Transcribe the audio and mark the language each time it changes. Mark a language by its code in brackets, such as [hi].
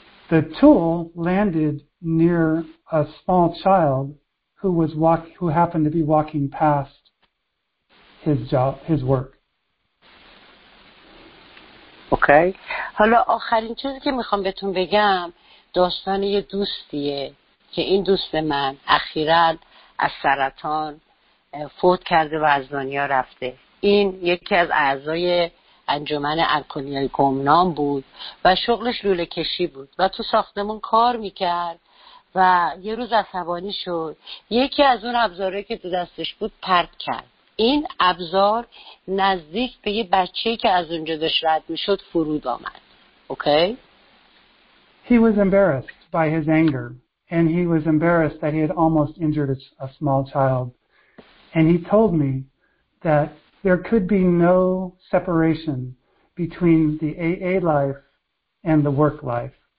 [en] The tool landed near a small child who happened to be walking past his job, his work. Okay. [fa] حالا آخرین چیزی که میخوام بهتون بگم داستان یه دوستیه که این دوست من اخیراً از سرطان فوت کرده و از دنیا رفته. این یکی از اعضای انجمن الکلیای گمنام بود و شغلش لوله کشی بود و تو ساختمون کار میکرد و یه روز عصبانی شد، یکی از اون ابزاره که تو دستش بود پرت کرد. این ابزار نزدیک به یه بچه‌ای که از اونجا داشت رد میشد فرود آمد. اوکی؟ [en] He was embarrassed by his anger and he was embarrassed that he had almost injured a small child and he told me that there could be no separation between the AA life and the work life.